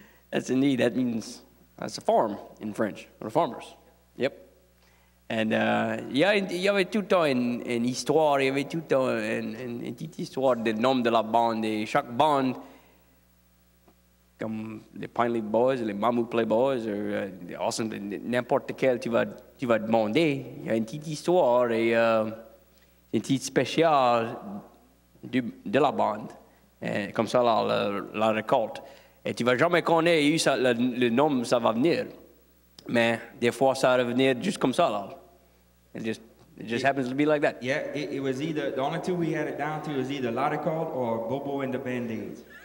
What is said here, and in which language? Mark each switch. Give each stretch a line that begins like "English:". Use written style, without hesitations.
English: That's indeed, that means, that's a farm in French, or farmers, yep.
French: And il y avait tout le temps une histoire, il y avait tout le temps une petite histoire des noms de la bande, et chaque bande, comme les Pine Leaf Boys, les Mamou Play Boys,
English: or, awesome,
French: n'importe quel tu vas demander, il y a une petite histoire, et une petite spéciale de la bande, et, comme ça la récolte. Et tu ne vas jamais connaître ça, le nom, ça va venir. Mais des fois, ça va venir juste comme ça.
English: Là. It just happens to be like that. Yeah, it was either, the only two we had it down to was either Larry Cole or Bobo and the Band-Aids.